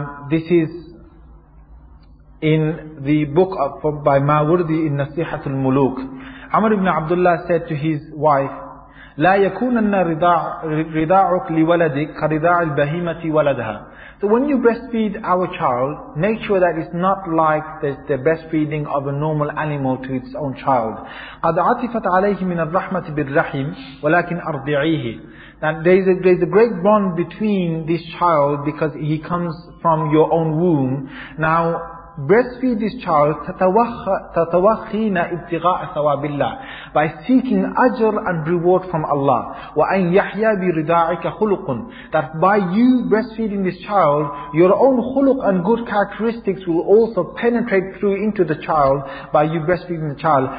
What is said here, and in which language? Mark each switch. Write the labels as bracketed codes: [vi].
[en] This is in the book by Mawardi in Nasihatul Muluk. Amr ibn Abdullah said to his wife, [ar] لا يكونن رضاعك لولدك كرضاع البهيمة ولدها. [en] So when you breastfeed our child, make sure that it's not like the breastfeeding of a normal animal to its own child. [ar] قد عطفت عليه من الرحمة بالرحم ولكن أرضعيه. [en] That there's a great bond between this child because he comes from your own womb. Now, breastfeed this child, [ar] تَتَوَخِّينَ ابْتِغَاءَ ثَوَابِ اللَّهِ, [en] by seeking ajr and reward from Allah. [ar] وَأَنْ يَحْيَى بِرِضَاعِكَ خُلُقٌ, [en] that by you breastfeeding this child, your own khuluq and good characteristics will also penetrate through into the child by you breastfeeding the child.